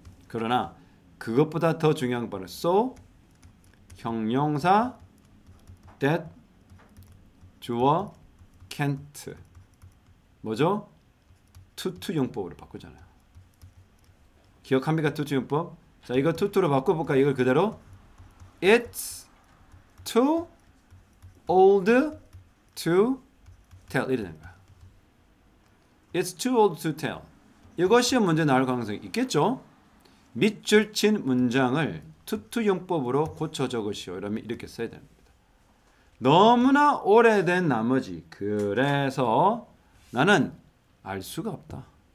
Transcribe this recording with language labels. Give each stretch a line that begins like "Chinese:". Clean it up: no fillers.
Korean: 그러나 그것보다 더 중요한 바로 so 형용사 that 주어 can't 뭐죠? 투투 용법으로 바꾸잖아요. 기억합니까? 투투 용법. 자, 이거 투투로 바꿔볼까? 이걸 그대로
English: It's too old to tell
Korean: 이러는 거야.
English: It's too old to tell.
Korean: 이것이 문제 나올 가능성이 있겠죠? 밑줄 친 문장을 투투 용법으로 고쳐 적으시오. 이러면 이렇게 써야 됩니다. 너무나 오래된 나머지 그래서 나는 알 수가 없다.